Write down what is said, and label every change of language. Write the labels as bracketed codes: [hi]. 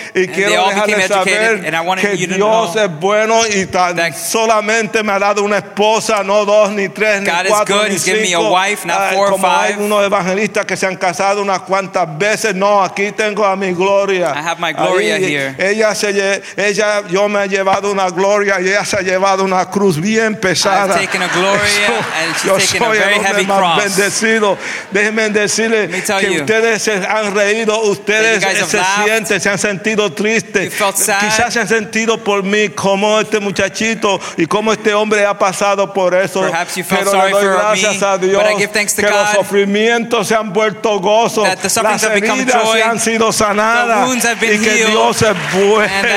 [es] Y quiero dejarles saber que Dios es bueno y tan solamente me ha dado una esposa, no dos, ni tres, ni cuatro, ni cinco. Como hay unos evangelistas que se han casado unas cuantas veces, no, aquí tengo a mi gloria. [en] I have my gloria here. [es] Ella, yo me he llevado una gloria y ella se ha llevado una cruz bien pesada. [en] I've taken a gloria and she's taken a very heavy cross. [es] Yo soy el hombre más bendecido. Déjenme decirle que ustedes se han reído, ustedes se sienten, se han sentido tristes. Quizás se han sentido por mí, como este muchachito y como este hombre ha pasado por eso. Pero le doy gracias a Dios que los sufrimientos se han vuelto gozo, las heridas se han sido sanadas y que Dios es bueno.